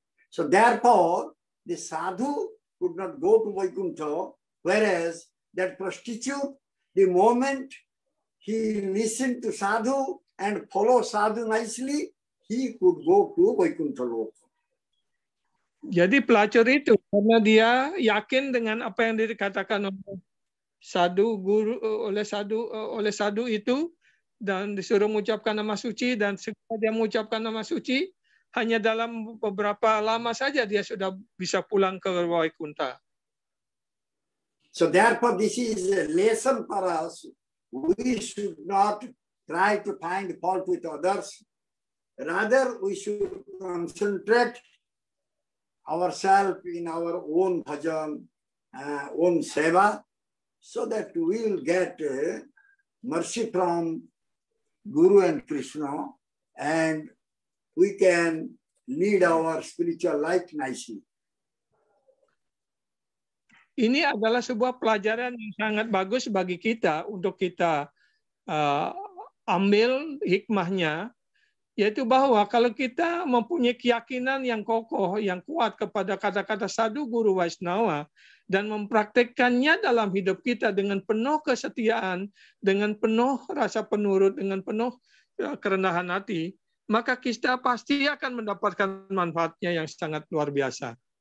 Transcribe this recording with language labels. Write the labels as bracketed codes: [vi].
[id] So therefore, the sadhu could not go to Vaikuntha, whereas that prostitute, the moment he listened to sadhu and follow sadhu nicely, he could go to Vaikuntha Loka. Jadi pelacur itu, karena dia yakin dengan apa yang dikatakan oleh sadhu guru, oleh sadhu itu, dan disuruh mengucapkan nama suci, dan setelah dia mengucapkan nama suci, hanya dalam beberapa lama saja dia sudah bisa pulang ke Vaikuntha. [en] So therefore, this is a lesson for us. We should not try to find fault with others. Rather, we should concentrate ourselves in our own bhajan, own seva, so that we will get mercy from Guru and Krishna, and we can lead our spiritual life nicely. [id] Ini adalah sebuah pelajaran yang sangat bagus bagi kita untuk kita ambil hikmahnya yaitu bahwa kalau kita mempunyai keyakinan yang kokoh, yang kuat kepada kata-kata Sadhu Guru Vaishnava, dan mempraktekkannya dalam hidup kita dengan penuh kesetiaan, dengan penuh rasa penurut, dengan penuh kerendahan hati, maka kita pasti akan mendapatkan manfaatnya yang sangat luar biasa.